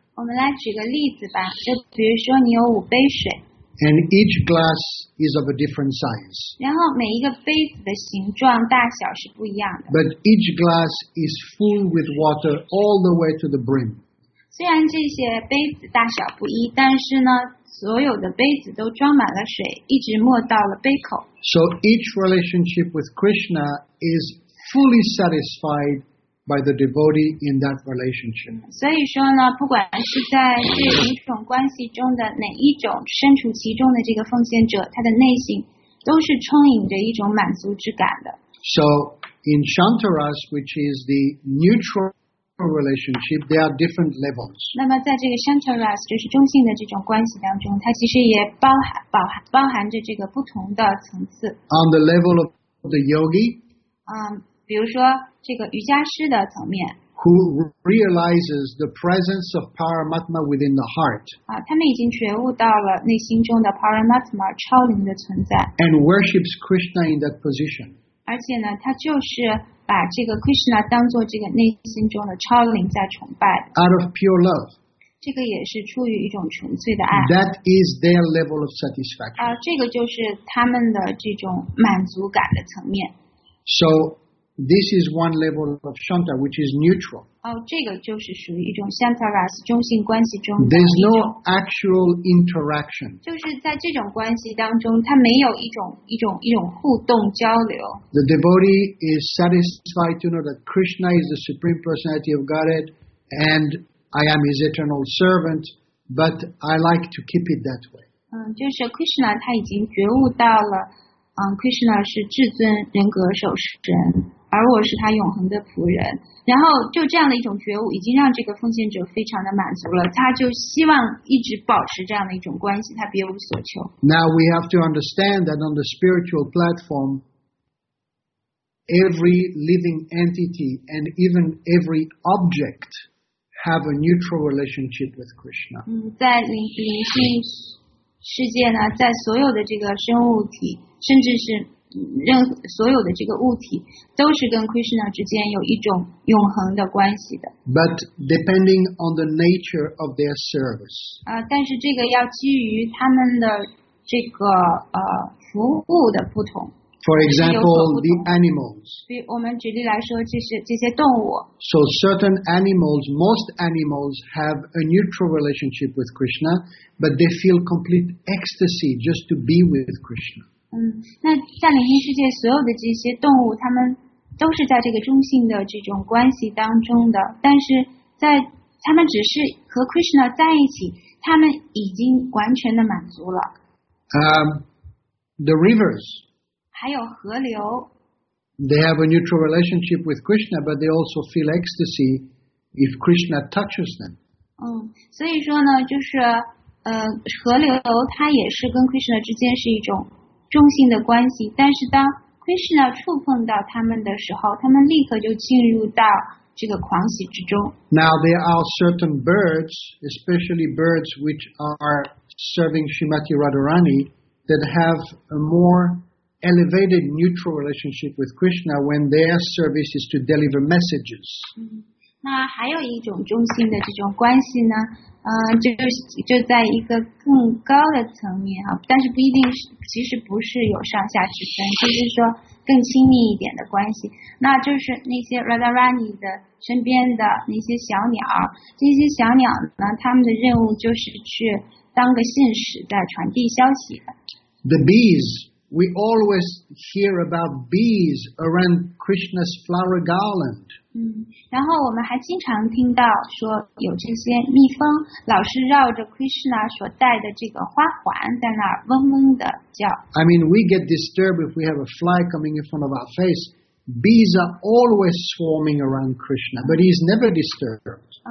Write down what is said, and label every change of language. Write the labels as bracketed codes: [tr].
[zh] 我们来举个例子吧，就比如说你有五杯水。 [en] And each glass is of a different size. [zh] 然后每一个杯子的形状大小是不一样的。 [en] But each glass is full with water all the way to the brim. [zh] 虽然这些杯子大小不一，但是呢，所有的杯子都装满了水，一直没到了杯口。 [en] So each relationship with Krishna is fully satisfied by the devotee in that relationship. [zh] 所以说呢，不管是在这一种关系中的哪一种，身处其中的这个奉献者，他的内心都是充盈着一种满足之感的。 [en] So in Shantaras, which is the neutral relationship, there are different levels. [zh] 那么在这个 Shantaras, 就是中性的这种关系当中，它其实也包含着这个不同的层次。 [en] On the level of the yogi, [zh] 比如说这个瑜伽师的层面 [en] ，who realizes the presence of Paramatma within the heart， [zh] 他们已经觉悟到了内心中的 Paramatma 超灵的存在 [en] ，and worships Krishna in that position， [zh] 而且呢，他就是把这个 Krishna 当作这个内心中的超灵在崇拜。 [en] Out of pure love. [zh] 这个也是出于一种纯粹的爱。 [en] That is their level of satisfaction. [zh] 这个就是他们的这种满足感的层面。 [en] So this is one level of Shanta, which is neutral. [zh] 这个就是属于一种 Shanta Ras 中性关系中的。 [en] There's no actual interaction. [zh] 就是在这种关系当中，它没有一种互动交流。 [en] The devotee is satisfied to know that Krishna is the supreme personality of Godhead, and I am his eternal servant, but I like to keep it that way. [zh] 就是 Krishna 他已经觉悟到了。Krishna 是至尊人格受持人，而我是他永恒的仆人。然后就这样的一种觉悟，已经让这个奉献者非常的满足了。他就希望一直保持这样的一种关系，他别无所求。 [en] Now we have to understand that on the spiritual platform, every living entity and even every object have a neutral relationship with Krishna. [zh] 在灵性世界呢，在所有的这个生物体，甚至是所有的这个物体，都是跟 Krishna 之间有一种永恒的关系的。 [en] But depending on the nature of their service. [zh] 但是这个要基于他们的这个服务的不同。 [en] For example, the animals. [zh] 比我们举例来说，这些动物。 [en] So certain animals, most animals have a neutral relationship with Krishna, but they feel complete ecstasy just to be with Krishna. [zh] 那在灵性世界，所有的这些动物，它们都是在这个中性的这种关系当中的。但是在它们只是和 Krishna 在一起，它们已经完全的满足了。 [en] The rivers. [zh] 还有河流。 [en] They have a neutral relationship with Krishna, but they also feel ecstasy if Krishna touches them. [zh] 所以说呢，就是河流它也是跟 Krishna 之间是一种。中性的关系，但是当 Krishna 触碰到他们的时候，他们立刻就进入到这个狂喜之中。 [en] Now there are certain birds, especially birds which are serving Srimati Radharani, that have a more elevated neutral relationship with Krishna when their service is to deliver messages. [zh] 那还有一种中性的这种关系呢？就在一个更高的层面啊，但是不一定是，其实不是有上下之分，就是说更亲密一点的关系。那就是那些 Radharani 的身边的那些小鸟，这些小鸟呢，他们的任务就是去当个信使，在传递消息的。 [en] The bees, we always hear about bees around Krishna's flower garland. [zh] 然后我们还经常听到说有这些蜜蜂老是绕着 Krishna 所戴的这个花环在那儿嗡嗡的叫。 [en] I mean, we get disturbed if we have a fly coming in front of our face. Bees are always swarming around Krishna, but he's never disturbed.